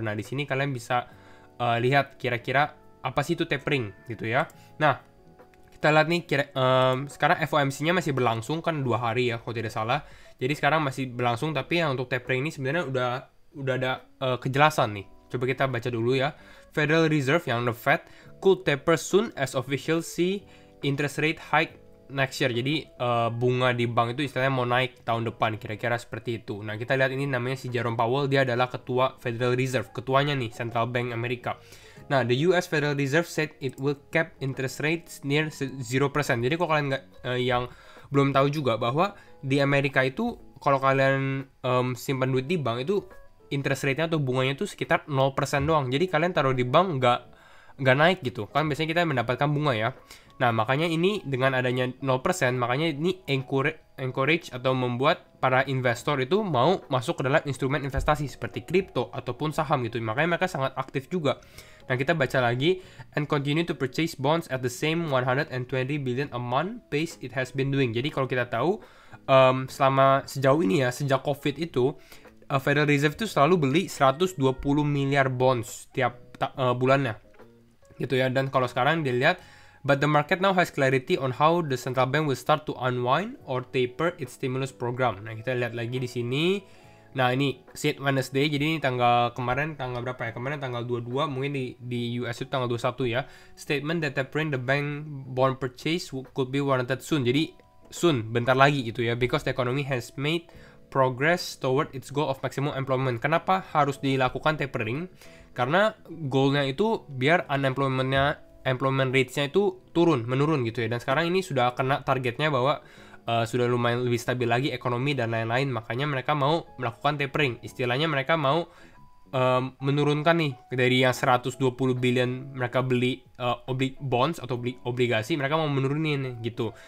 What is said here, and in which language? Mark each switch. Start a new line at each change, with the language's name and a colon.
Indonesian: Nah, di sini kalian bisa lihat kira-kira apa sih itu tapering gitu ya. Nah, kita lihat nih sekarang FOMC-nya masih berlangsung kan 2 hari ya kalau tidak salah. Jadi sekarang masih berlangsung, tapi yang untuk tapering ini sebenarnya udah ada kejelasan nih. Coba kita baca dulu ya.
English: Federal Reserve yang the Fed could taper soon as officials see interest rate hike next year.
Indonesian: Jadi bunga di bank itu istilahnya mau naik tahun depan, kira-kira seperti itu. Nah, kita lihat ini namanya si Jerome Powell, dia adalah ketua Federal Reserve, ketuanya nih Central Bank Amerika.
English: Nah, the US Federal Reserve said it will cap interest rates near 0%.
Indonesian: Jadi kalau kalian yang belum tahu juga bahwa di Amerika itu kalau kalian simpan duit di bank itu interest rate-nya atau bunganya itu sekitar 0% doang. Jadi kalian taruh di bank nggak naik gitu. Kan biasanya kita mendapatkan bunga ya. Nah, makanya ini dengan adanya 0%, makanya ini encourage atau membuat para investor itu mau masuk ke dalam instrumen investasi seperti kripto ataupun saham gitu. Makanya mereka sangat aktif juga. Nah, kita baca lagi.
English: And continue to purchase bonds at the same 120 billion a month pace it has been doing.
Indonesian: Jadi kalau kita tahu, sejauh ini ya, sejak COVID itu, Federal Reserve itu selalu beli 120 miliar bonds tiap bulannya. Gitu ya. Dan kalau sekarang dilihat,
English: but the market now has clarity on how the central bank will start to unwind or taper its stimulus program.
Indonesian: Nah, kita lihat lagi di sini. Nah, ini Fed Wednesday. Jadi ini tanggal kemarin, tanggal berapa ya? Kemarin tanggal 22, mungkin di US itu tanggal 21 ya.
English: Statement that tapering the bank bond purchase could be warranted soon. Jadi soon,
Indonesian: bentar lagi gitu ya,
English: because the economy has made progress toward its goal of maximum employment.
Indonesian: Kenapa harus dilakukan tapering? Karena goalnya itu biar unemployment-nya, employment rates-nya itu turun, menurun gitu ya. Dan sekarang ini sudah kena targetnya bahwa sudah lumayan lebih stabil lagi ekonomi dan lain-lain. Makanya mereka mau melakukan tapering. Istilahnya mereka mau menurunkan nih dari yang 120 billion mereka beli bonds atau beli obligasi, mereka mau menurunin gitu.